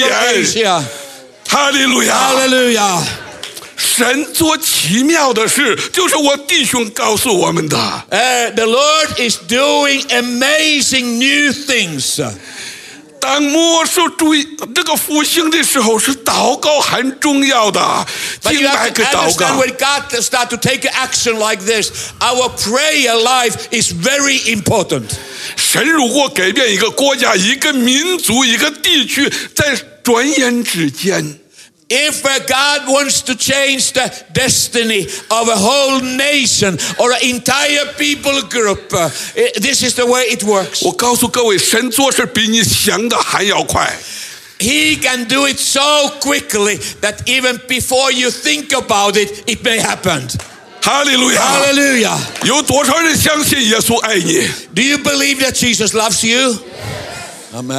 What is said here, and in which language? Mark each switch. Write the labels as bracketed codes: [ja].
[zh] 我们开始说预言，为着中东说预言，为着佛教、基督教国家发预言，为着我们国家民族发预言。哈利路亚！哈利路亚！神做奇妙的事，就是我弟兄告诉我们的。 [en] The Lord is doing amazing new things. [zh] 当末世主义这个复兴的时候，是祷告很重要的，敬拜跟祷告。 [en] When God start to take action like this, our prayer life is very important. [zh] 神如果改变一个国家、一个民族、一个地区，在转眼之间。 [en] If God wants to change the destiny of a whole nation or an entire people group, this is the way it works. [zh] 我告诉各位，神做事比你想的还要快。 [en] He can do it so quickly that even before you think about it, it may happen. Hallelujah. Hallelujah. [zh] 有多少人相信耶稣爱你？ [en] Do you believe that Jesus loves you? Yes.